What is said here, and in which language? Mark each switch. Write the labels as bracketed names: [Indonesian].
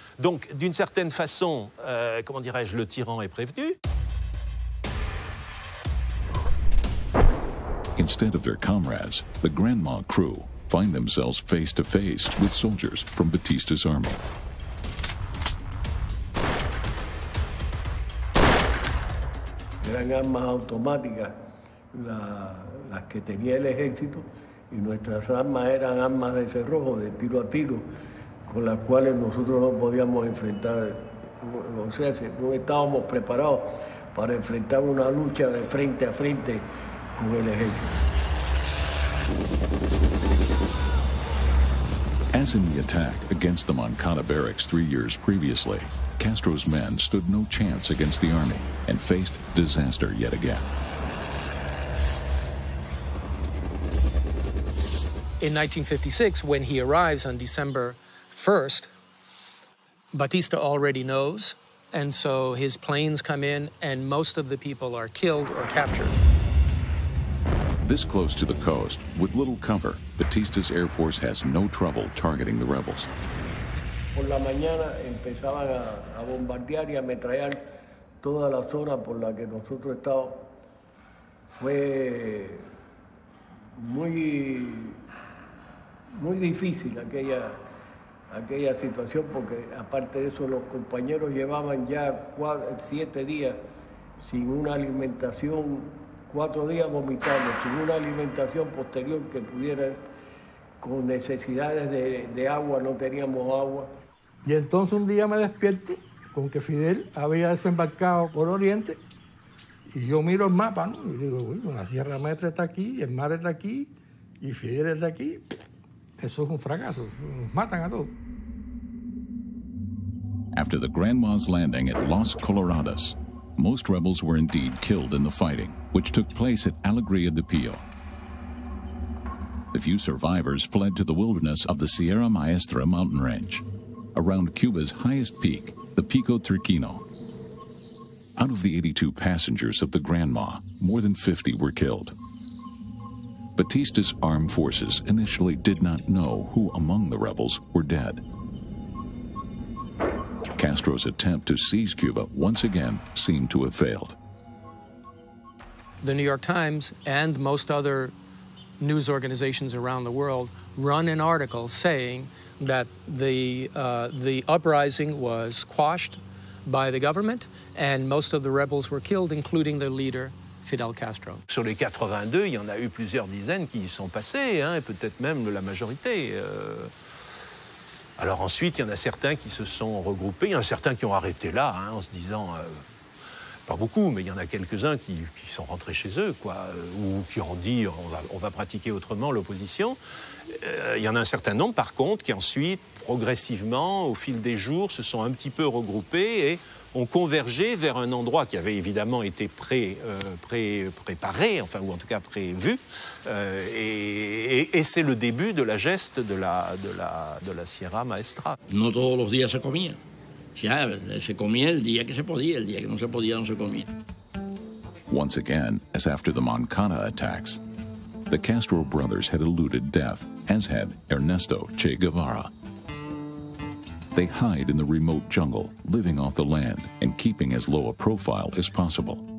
[French] Donc d'une certaine façon, comment dirais-je, le tyran est prévenu. [English] Instead of their comrades, the Granma crew find themselves face to face with soldiers from Batista's army. [Spanish] Eran armas automáticas las que tenía el ejército y nuestras armas eran armas de cerrojo, de tiro a tiro, con las cuales nosotros no podíamos enfrentar, o sea, no estábamos preparados para enfrentar una lucha de frente a frente con el ejército. [English] As in the attack against the Moncada barracks 3 years previously, Castro's men stood no chance against the army and faced disaster yet again. In 1956, when he arrives on December 1st, Batista already knows And so his planes come in, and most of the people are killed or captured. This close to the coast, with little cover, Batista's Air Force has no trouble targeting the rebels. [Spanish] Por la mañana empezaban a bombardear y a ametrallar toda la zona por la que nosotros estábamos. Fue muy, muy difícil aquella situación, porque aparte de eso, los compañeros llevaban ya 7 días sin una alimentación, 4 días vomitando, sin una alimentación posterior que pudiera, con necesidades de agua, no teníamos agua. Y entonces un día me despierto con que Fidel había desembarcado por Oriente, y yo miro el mapa, ¿no? Y digo, bueno, la Sierra Maestra está aquí, el mar está aquí, y Fidel está aquí. Eso es un fracaso, nos matan a todos. [English] After the grandma's landing at Las Coloradas, most rebels were indeed killed in the fighting, which took place at Alegría de Pio. A few survivors fled to the wilderness of the Sierra Maestra mountain range, around Cuba's highest peak, the Pico Trequino. Out of the 82 passengers of the Granma, more than 50 were killed. Batista's armed forces initially did not know who among the rebels were dead. Castro's attempt to seize Cuba once again seemed to have failed. The New York Times and most other news organizations around the world run an article saying that the uprising was quashed by the government and most of the rebels were killed, including their leader, Fidel Castro. [French] Sur les 82, il y en a eu plusieurs dizaines qui y sont passés, hein, et peut-être même la majorité. Alors ensuite, il y en a certains qui se sont regroupés, il y en a certains qui ont arrêté là, hein, en se disant, pas beaucoup, mais il y en a quelques-uns qui sont rentrés chez eux, quoi, ou qui ont dit, on va pratiquer autrement l'opposition. Il y en a un certain nombre, par contre, qui ensuite, progressivement, au fil des jours, se sont un petit peu regroupés et ont convergé vers un endroit qui avait évidemment été préparé, enfin, ou en tout cas prévu, et c'est le début de la geste de la Sierra Maestra. [Spanish] No todos los días se comía. Ya, se comía el día que se podía, el día que no se podía, no se comía. [English] Once again, as after the Moncada attacks, the Castro brothers had eluded death, as had Ernesto Che Guevara. They hide in the remote jungle, living off the land and keeping as low a profile as possible.